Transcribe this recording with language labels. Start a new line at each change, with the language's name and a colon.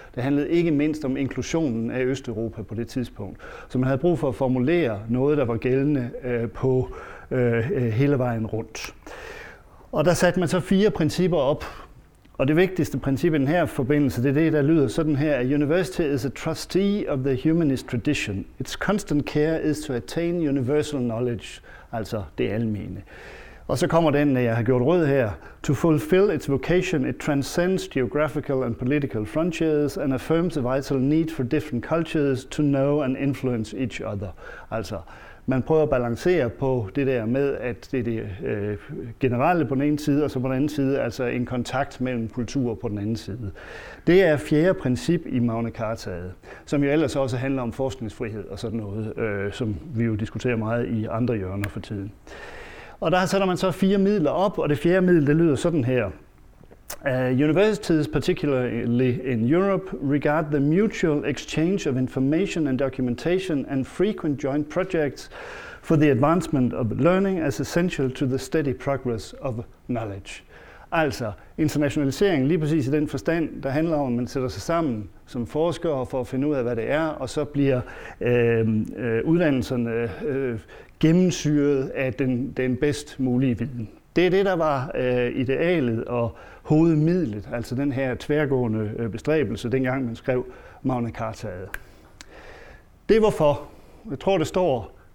Danish: Det handlede ikke mindst om inklusionen af Østeuropa på det tidspunkt. Så man havde brug for at formulere noget, der var gældende på hele vejen rundt. Og der satte man så fire principper op. Og det vigtigste princip i den her forbindelse, det er det, der lyder sådan her.
English: University is a trustee of the humanist tradition. Its constant care is to attain universal knowledge,
Danish: altså det almene. Og så kommer den, jeg har gjort rød her.
English: To fulfill its vocation, it transcends geographical and political frontiers and affirms the vital need for different cultures to know and influence each other.
Danish: Altså, man prøver at balancere på det der med, at det er det generelle på den ene side, og så på den anden side, altså en kontakt mellem kulturer på den anden side. Det er fjerde princip i Magna Carta'et, som jo ellers også handler om forskningsfrihed og sådan noget, som vi jo diskuterer meget i andre hjørner for tiden. Og der sætter man så fire midler op, og det fjerde middel, det lyder sådan her.
English: Universities, particularly in Europe, regard the mutual exchange of information and documentation and frequent joint projects for the advancement of learning as essential to the steady progress of knowledge.
Danish: Altså, internationalisering, lige præcis i den forstand, der handler om, at man sætter sig sammen som forskere for at finde ud af, hvad det er, og så bliver uddannelserne gennemsyret af den bedst mulige viden. Det er det, der var idealet og hovedmidlet, altså den her tværgående bestræbelse, dengang man skrev Magna Carta'et. Det er hvorfor. Jeg tror, det står